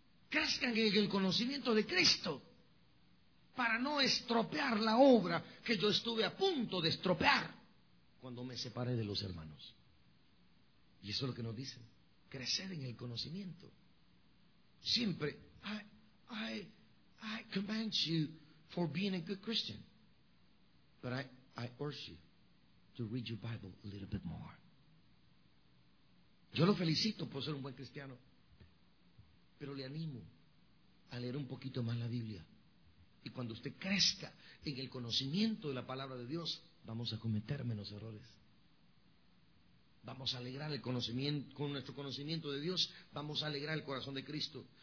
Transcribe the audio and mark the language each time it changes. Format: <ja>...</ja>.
<es>Crezcan en el conocimiento de Cristo para no estropear la obra que yo estuve a punto de estropear cuando me separé de los hermanos. Y eso es lo que nos dicen: crecer en el conocimiento. Siempre,</es> <en>I command you for being a good Christian, but I urge you to read your Bible a little bit more.</en> <es>Yo lo felicito por ser un buen cristiano, pero le animo a leer un poquito más la Biblia. Y cuando usted crezca en el conocimiento de la palabra de Dios, vamos a cometer menos errores. Vamos a alegrar el conocimiento, con nuestro conocimiento de Dios, vamos a alegrar el corazón de Cristo.</es>